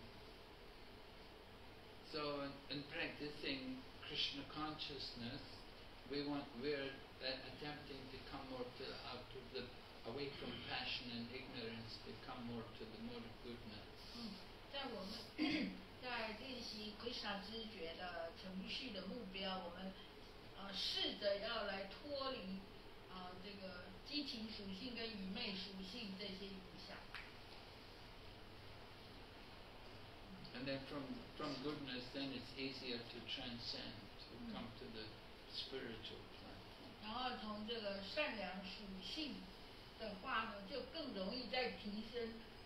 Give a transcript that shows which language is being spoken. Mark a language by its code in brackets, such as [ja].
[zh] 那根据我们每个人的本性呢，那就会有不同的方式去行为活动。 [en] So in practicing Krishna consciousness, we're attempting to come more to out of the away from passion and ignorance, to come more to the mode of goodness. [zh] 在我们。在练习 Krishna 知觉的程序的目标，我们试着要来脱离这个激情属性跟愚昧属性这些影响。 [en] And then from goodness, then it's easier to transcend to come to the spiritual plane. [zh] 然后从这个善良属性的话呢，就更容易再提升。